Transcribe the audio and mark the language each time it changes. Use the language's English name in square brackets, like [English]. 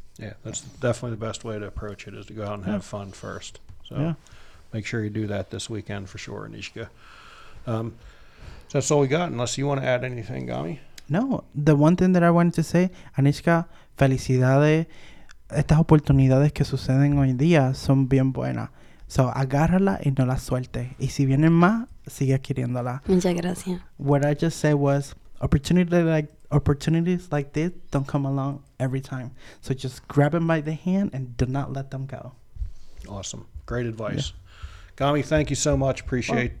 [English] Yeah, that's definitely the best way to approach it, is to go out and have fun first. So make sure you do that this weekend for sure, Anishka. So that's all we got, unless you want to add anything, Gami. No, the one thing that I wanted to say, Anishka, [Spanish] felicidades. Estas oportunidades que suceden hoy día son bien buenas. So agárrala y no la sueltes. Y si vienen más, sigue adquiriéndola. Muchas gracias. [English] What I just said was, opportunities like this don't come along every time. So just grab them by the hand and do not let them go. Awesome. Great advice. Yeah. Gami, thank you so much. Appreciate